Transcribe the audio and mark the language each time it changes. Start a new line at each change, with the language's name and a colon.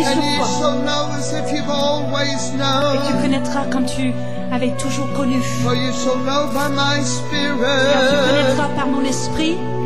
English: and
French: sur toi.
English: And you shall know as if you've always known.
French: Et tu connaîtras comme tu avais toujours connu.
English: For you shall know by my spirit.
French: Car tu connaîtras par mon esprit.